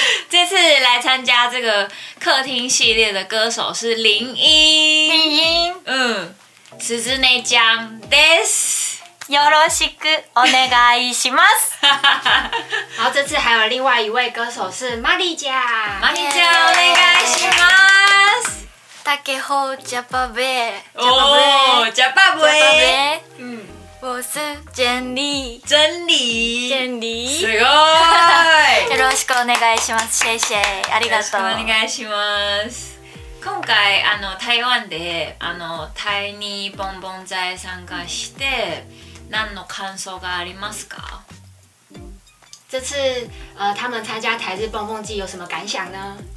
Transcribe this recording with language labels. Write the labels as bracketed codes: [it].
[zh] 这次来参加这个客厅系列的歌手是林音。林音。 [ja] 石之内ちゃんです。よろしくお願いします。 [zh] 然后这次还有另外一位歌手是玛丽ちゃん。 [ja] 玛丽ちゃん、お願いします。 [zh] 大家好，ジャパブエ。哦，ジャパブエ。我是真理。真理。真理。 [ja] すごい。よろしくお願いします。 [zh] 谢谢， [ja] ありがとう。よろしくお願いします。今回台湾で台にボンボン在参加して、何の感想がありますか？ [zh] 这次他们参加台日蹦蹦记有什么感想呢？